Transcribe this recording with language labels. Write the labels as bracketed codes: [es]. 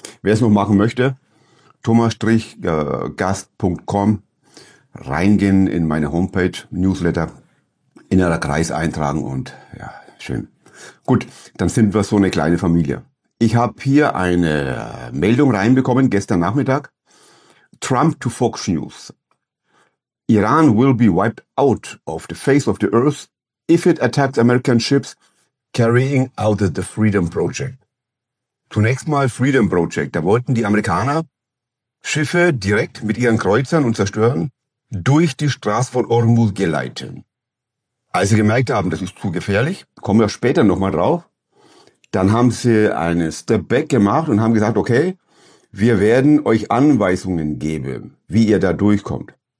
[de] Wer es noch machen möchte, thomas-gast.com, reingehen in meine Homepage, Newsletter, innerer Kreis eintragen und ja, schön. Gut, dann sind wir so eine kleine Familie. Ich habe hier eine Meldung reinbekommen gestern Nachmittag. [en] Trump to Fox News. Iran will be wiped out of the face of the earth if it attacks American ships carrying out the Freedom Project. [de] Zunächst mal Freedom Project. Da wollten die Amerikaner Schiffe direkt mit ihren Kreuzern und Zerstörern durch die Straße von Ormuz geleiten. Als sie gemerkt haben, das ist zu gefährlich, kommen wir später nochmal drauf, dann haben sie einen Step Back gemacht und haben gesagt, okay, wir werden euch Anweisungen geben, wie ihr da durchkommt.